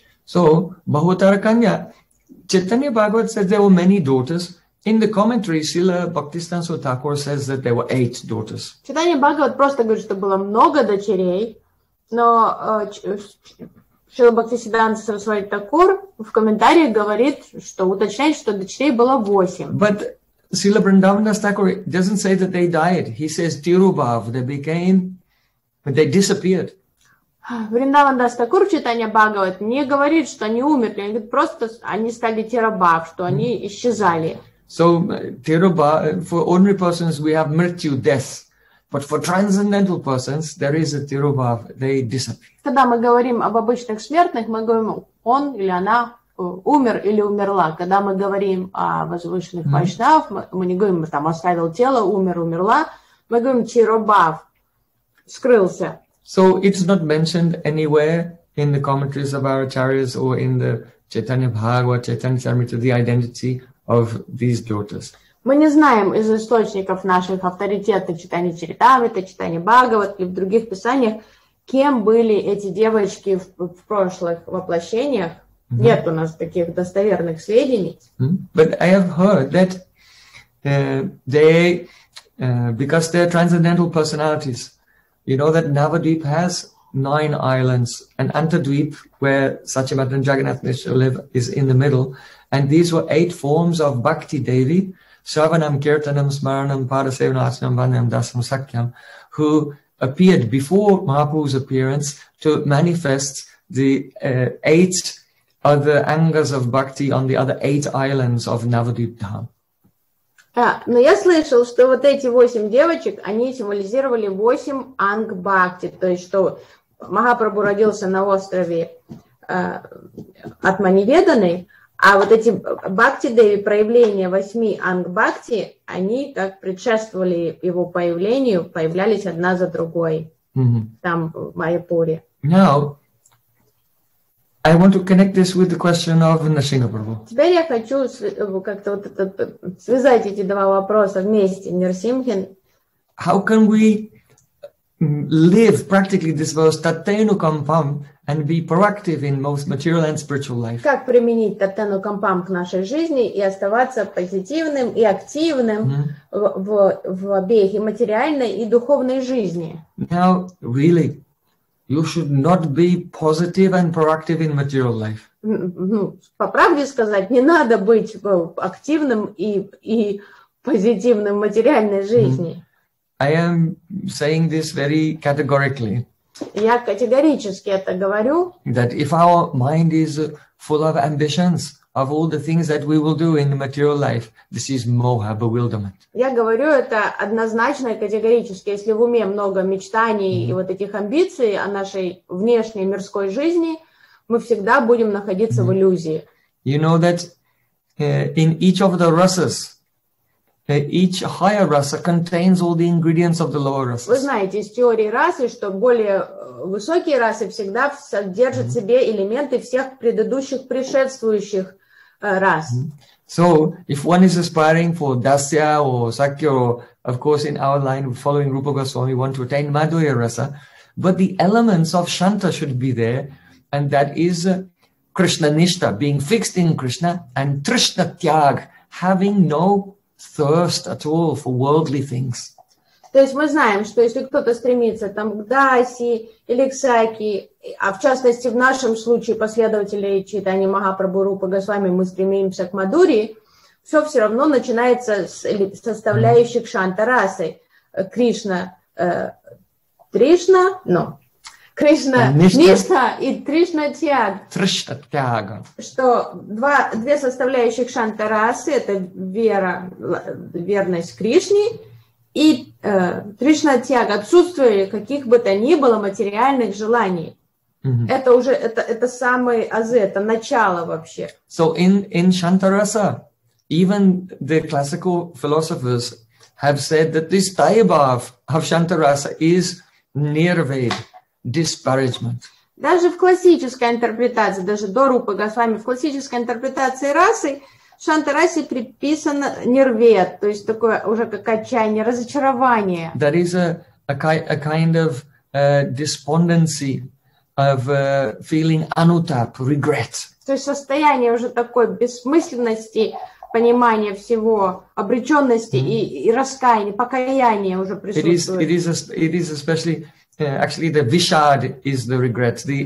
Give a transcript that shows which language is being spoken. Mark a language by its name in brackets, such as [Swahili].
[English] So, Bahutara Kanya, Chaitanya Bhagavat says there were many daughters. In the commentary, Srila Bhaktisiddhanta Thakur says that there were 8 daughters. [Russian] Chaitanya Bhagavat просто говорит, что было много дочерей, но Srila Bhaktisiddhanta Saraswati Thakur в комментариях говорит, что уточняет, что дочерей было 8. [English] But Srila Vrindavanadas Thakur doesn't say that they died. He says Tirubhav, they disappeared. [Russian] Вриндавандас Такур в Чайтанья Бхагават не говорит, что они умерли, он говорит, просто они стали тирубав, что они исчезали. [English] So, for ordinary persons, we have mrityu, death. But for transcendental persons, there is a tirubhav, they disappear. [Russian] Когда мы говорим об обычных смертных, мы говорим, он или она умер или умерла. Когда мы говорим о возвышенных вайшнав, мы не говорим, там оставил тело, умер, умерла. Мы говорим, тирубав, скрылся. [English] So, it's not mentioned anywhere in the commentaries of our acharyas or in the Chaitanya Bhagavata, Chaitanya Charitamrita, the identity of these daughters. [Russian] Мы не знаем из источников наших авторитетных читаний Чаритамрита, читаний Бхагават и в других писаниях, кем были эти девочки в прошлых воплощениях. Mm-hmm. Нет у нас таких достоверных сведений. Mm-hmm. [English] But I have heard that they, because they're transcendental personalities, you know that Navadvip has 9 islands, and Antadvip, where Sachimata and Jagannath Mishra live, is in the middle. And these were 8 forms of Bhakti Devi, Shravanam, Kirtanam, Smaranam, Parasevanam, Asanam, Vandanam, Dasam, Sakyam, who appeared before Mahaprabhu's appearance to manifest the 8 other angas of Bhakti on the other 8 islands of Navadvip Dham. [Russian] Но я слышал, что вот эти 8 девочек, они символизировали 8 анг Бхакти, то есть что Махапрабху родился на острове Атманиведаны, а вот эти бхакти-деви, проявления 8 анг-бхакти, они как предшествовали его появлению, появлялись одна за другой там, в Майяпуре. [English] Now, I want to connect this with the question of Narasimha Prabhu. [Russian] Теперь я хочу как-то вот это, связать эти два вопроса вместе, Нарсимхин. [English] How can we live practically this verse, tattenu kampam, and be proactive in both material and spiritual life? [Russian] Как применить таттену кампам к нашей жизни и оставаться позитивным и активным в обеих и материальной и духовной жизни? [English] Now, really, you should not be positive and proactive in material life. [Russian] По правде сказать, не надо быть активным и позитивным в материальной жизни. [English] I am saying this very categorically. [Russian] Я категорически это говорю. [English] That if our mind is full of ambitions of all the things that we will do in the material life, this is moha, bewilderment. [Russian] Я говорю это однозначно и категорически. Если в уме много мечтаний и вот этих амбиций о нашей внешней мирской жизни, мы всегда будем находиться в иллюзии. [English] You know that in each of the rasas, each higher rasa contains all the ingredients of the lower rasas. [Russian] Вы знаете из теории расы, что более высокие расы всегда содержат в себе элементы всех предыдущих предшествующих рас. [English] So, if one is aspiring for Dasya or Sakya, or of course in our line following Rupa Goswami, we want to attain Madhurya rasa, but the elements of Shanta should be there, and that is Krishna Nishta, being fixed in Krishna, and Trishna Tyag, having no thirst at all for worldly things. [Russian] То есть мы знаем, что если кто-то стремится там к Даси или к Сакье, а в частности в нашем случае последователи Чайтаньи Махапрабху Рупа Госвами, мы стремимся к Мадури, все равно начинается с составляющих Шанта расы. Кришна, Тришна, Кришна, Ништа и Тришна Тьяг. Тришна Тьяга. Что две составляющих шантарасы – это вера, верность Кришне и Тришна Тьяг, отсутствие каких бы то ни было материальных желаний. Mm-hmm. Это уже это самые азы, это начало вообще. [English] So in Shantarasa, even the classical philosophers have said that this Daibhav of Shantarasa is Nirveda, disparagement. [Russian] Даже в классической интерпретации, даже до Рупы Госвами, в классической интерпретации расы Шантарасе приписано Нирвед, то есть такое уже как отчаяние, разочарование. [English] That is a kind of despondency. Of feeling anutap, regret. [Russian] То есть состояние уже такой бессмысленности, понимания всего, обреченности и раскаяния, покаяния уже присутствует. [English] It is especially actually the vishad is the regret.